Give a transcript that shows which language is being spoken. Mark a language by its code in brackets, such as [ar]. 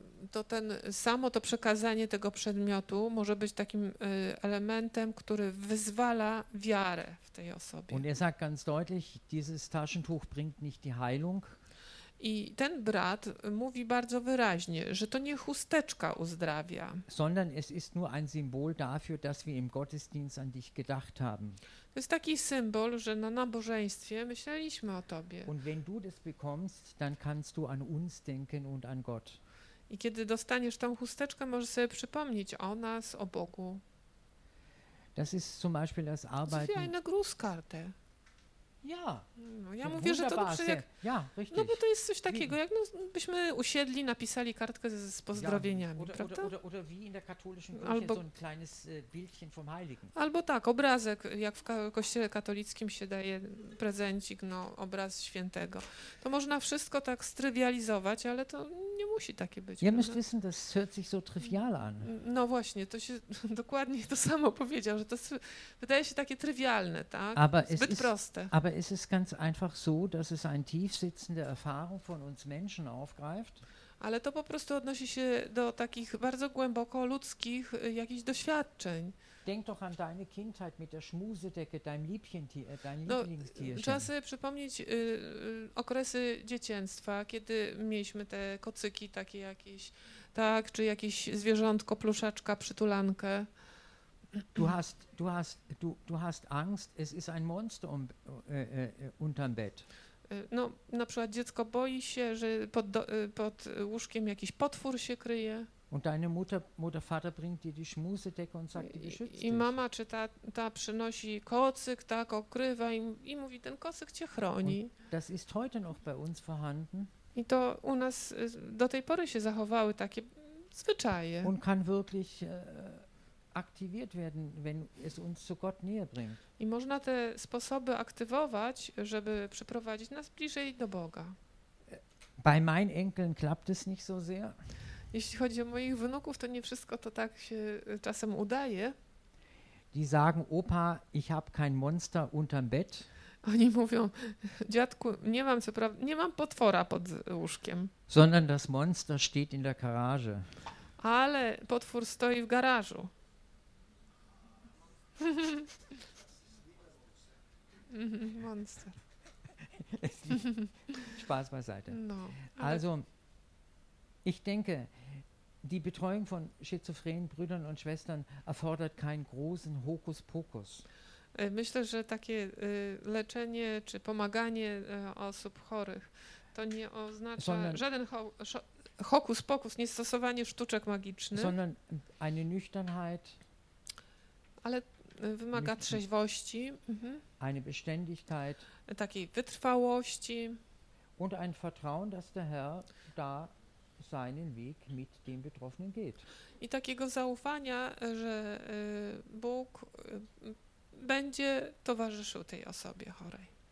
[pl] To ten samo to przekazanie tego przedmiotu może być takim elementem, który wyzwala wiarę w tej osobie. [de] Und er sagt ganz deutlich, dieses Taschentuch bringt nicht die Heilung. [pl] I ten brat mówi bardzo wyraźnie, że to nie chusteczka uzdrawia. [de] Sondern es ist nur ein Symbol dafür, dass wir im Gottesdienst an dich gedacht haben. [pl] To jest taki symbol, że na nabożeństwie myśleliśmy o tobie. [de] Und wenn du das bekommst, dann kannst du an uns denken und an Gott. [pl] I kiedy dostaniesz tą chusteczkę, możesz sobie przypomnieć o nas, o Bogu. [de] Das ist zum Beispiel das Arbeiten. Das ist wie eine Grußkarte. Ja. [pl] No, ja mówię, że to dobrze jak. [de] Ja, richtig. [pl] No bo to jest coś takiego, jak no, byśmy usiedli, napisali kartkę z pozdrowieniami, ja, prawda? [de] Oder wie in der katholischen Kirche albo, so ein kleines Bildchen vom Heiligen. [pl] Albo tak, obrazek, jak w kościele katolickim się daje prezencik, no obraz świętego. To można wszystko tak strywializować, ale to nie musi takie być. Ja myślę, że to [de] hört sich so trivial an. [pl] No właśnie, to się dokładnie to samo powiedział, że to wydaje się takie trywialne, tak? [de] Aber [pl] zbyt proste. [de] Aber ist es ganz einfach so, dass es eine tiefsitzende Erfahrung von uns Menschen aufgreift? [pl] Ale to po prostu odnosi się do takich bardzo głęboko ludzkich jakichś doświadczeń. [de] Denk doch an deine Kindheit mit der Schmusedecke, deinem Lieblingstier, dein Lieblingstier. [pl] Trzeba sobie przypomnieć okresy dzieciństwa, kiedy mieliśmy te kocyki takie jakieś, tak, czy jakieś zwierzątko, pluszaczka, przytulankę. [de] Du hast Angst, es ist ein Monster unterm Bett. [pl] No, na przykład dziecko boi się, że pod łóżkiem jakiś potwór się kryje. [de] Und deine Mutter Vater bringt dir die Schmusedecke und sagt, die beschützt dich. [pl] I mama czy ta przynosi kocyk, tak, okrywa i mówi, ten kocyk cię chroni. [de] Und das ist heute noch bei uns vorhanden. [pl] I to u nas do tej pory się zachowały takie zwyczaje. [de] Und kann wirklich aktiviert werden, wenn es uns zu Gott näher bringt. [pl] I można te sposoby aktywować, żeby przyprowadzić nas bliżej do Boga. [de] Bei meinen Enkeln klappt es nicht so sehr. [pl] Jeśli chodzi o moich wnuków, to nie wszystko to tak się czasem udaje. [de] Die sagen, Opa, ich habe kein Monster unterm Bett. [pl] Oni mówią, dziadku, nie mam, co prawda, nie mam potwora pod łóżkiem. [de] Sondern das Monster steht in der Garage. [pl] Ale potwór stoi w garażu. [de] Monster. Spaß beiseite. [pl] No, [de] also, ich denke, die Betreuung von schizophrenen Brüdern und Schwestern erfordert keinen großen Hokuspokus. [pl] Myślę, że takie leczenie czy pomaganie osób chorych to nie oznacza żaden hokuspokus, nie stosowanie sztuczek magicznych, [de] sondern eine Nüchternheit. [pl] Ale wymaga trzeźwości, [de] eine Beständigkeit, [pl] takiej wytrwałości [de] und ein Vertrauen, dass der Herr da seinen Weg mit dem Betroffenen geht. [pl] I takiego zaufania, że Bóg będzie towarzyszył tej osobie chorej.